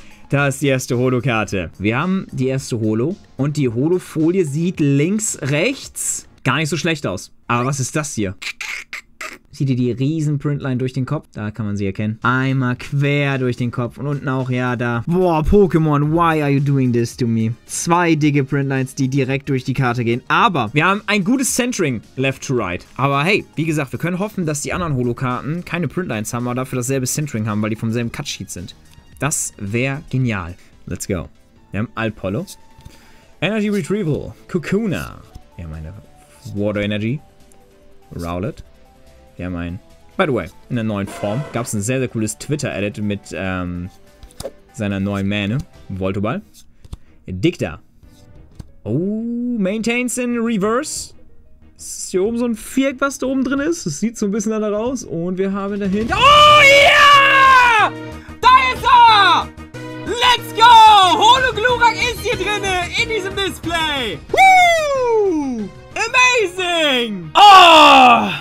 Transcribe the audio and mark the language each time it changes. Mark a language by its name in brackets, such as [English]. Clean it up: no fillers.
[German] Da ist die erste Holo-Karte. Wir haben die erste Holo und die Holo-Folie sieht links, rechts gar nicht so schlecht aus. Aber was ist das hier? Sieht ihr die riesen Printline durch den Kopf? Da kann man sie erkennen. Einmal quer durch den Kopf und unten auch, ja, da. [English] Boah, Pokémon, why are you doing this to me? [German] 2 dicke Printlines, die direkt durch die Karte gehen. Aber wir haben ein gutes Centering [English] left to right. [German] Aber hey, wie gesagt, wir können hoffen, dass die anderen Holo-Karten keine Printlines haben, aber dafür dasselbe Centering haben, weil die vom selben Cutsheet sind. Das wäre genial. [English] Let's go. [German] Wir haben Alpollo. Energy Retrieval. Kukuna. Wir haben eine Water Energy. Rowlet. Wir haben ein... [English] By the way, [German] in der neuen Form gab es ein sehr, sehr cooles Twitter-Edit mit seiner neuen Mähne. Voltoball. Dicta. Oh, Maintains in Reverse. Ist hier oben so ein Viereck, was da oben drin ist? Das sieht so ein bisschen danach aus. Und wir haben dahinter... Oh, ja! [English] Yeah! Let's go! [German] Holo Glurak ist hier drinne in diesem Display. [English] Woo! Amazing! Oh!